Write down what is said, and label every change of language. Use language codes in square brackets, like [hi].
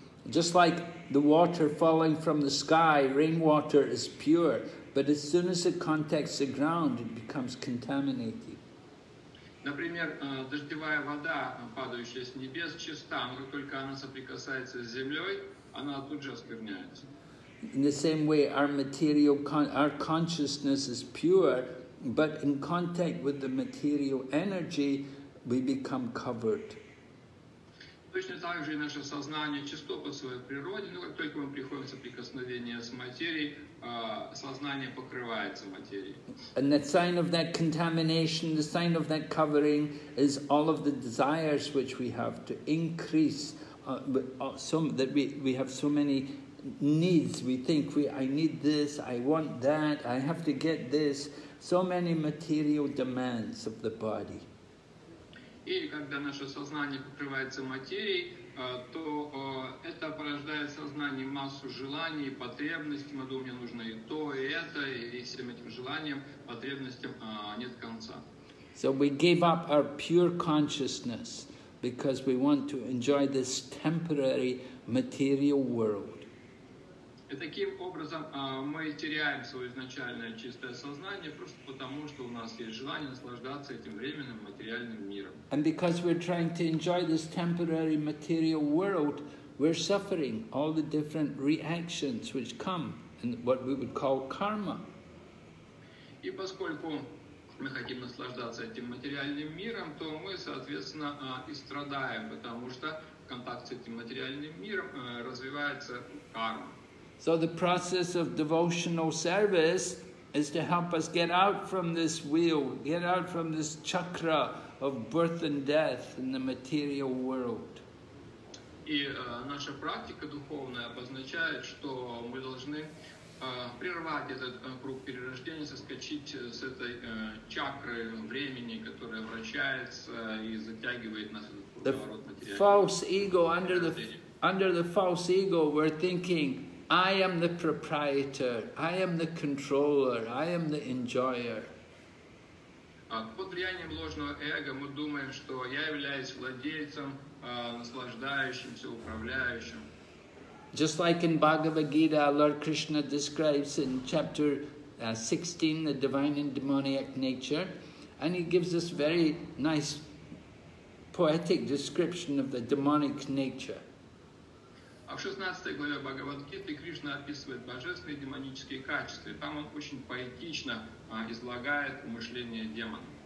[en] Just like the water falling from the sky, rainwater is pure, but as soon as it contacts the ground, it becomes contaminated. [ru] Например, дождевая вода, падающая с небес, чиста, но как только она соприкасается с землей, она тут же оскверняется. [en] In the same way, our material, our consciousness is pure, but in contact with the material energy, we become covered. [ru] Точно так же и наше сознание чисто по своей природе, но как только мы приходим в соприкосновение с материей, сознание покрывается материей. [en] And the sign of that contamination, the sign of that covering, is all of the desires which we have to increase, so many needs. We think I need this, I want that, I have to get this. So many material demands of the body. [ru] И когда наше сознание покрывается материей, то это порождает в сознании массу желаний, потребностей. Мы думаем, мне нужно и то, и это, и всем этим желаниям, потребностям нет конца. [en] So we gave up our pure consciousness because we want to enjoy this temporary material world. [ru] И таким образом мы теряем свое изначальное чистое сознание просто потому, что у нас есть желание наслаждаться этим временным материальным миром. [en] And because we're trying to enjoy this temporary material world, we're suffering all the different reactions which come, and what we would call karma. [ru] И поскольку мы хотим наслаждаться этим материальным миром, то мы, соответственно, и страдаем, потому что в контакте с этим материальным миром развивается карма. [en] So the process of devotional service is to help us get out from this wheel, get out from this chakra of birth and death in the material world. [ru] И наша практика духовная обозначает, что мы должны прервать этот круг перерождения, соскочить с этой чакры времени, которая вращается и затягивает нас в этот круговорот материального. [en] Under the false ego, we're thinking, I am the proprietor, I am the controller, I am the enjoyer. [ru] Под влиянием ложного эго мы думаем, что я являюсь владельцем, наслаждающимся, управляющим. [en] Just like in Bhagavad Gita, Lord Krishna describes in chapter 16, the divine and demoniac nature, and he gives this very nice poetic description of the demonic nature. [ru] А в 16 главе Бхагавад-гиты Кришна описывает божественные и демонические качества. И там он очень поэтично излагает мышление демона.